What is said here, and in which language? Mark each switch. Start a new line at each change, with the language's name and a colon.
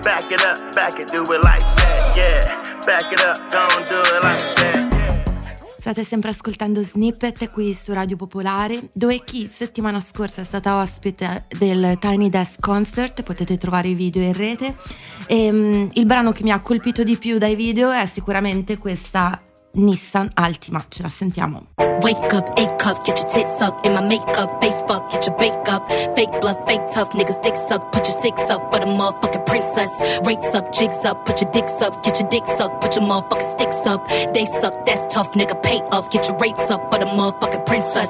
English: Back it up, back it, do it like that, yeah. Back it up, don't do it like that.
Italian: State sempre ascoltando Snippet qui su Radio Popolare, dove chi settimana scorsa è stata ospite del Tiny Desk Concert, potete trovare i video in rete. E, il brano che mi ha colpito di più dai video è sicuramente questa Nissan Altima, ce la sentiamo.
English: Wake up, 8 cup, get your tits up in my makeup, face fuck, get your bake up. Fake bluff, fake tough, niggas dick suck, put your six up for the motherfucking princess. Rates up, jigs up, put your dicks up, get your dick suck, put your motherfucking sticks up. They suck, that's tough, nigga, pay off, get your rates up for the motherfucking princess.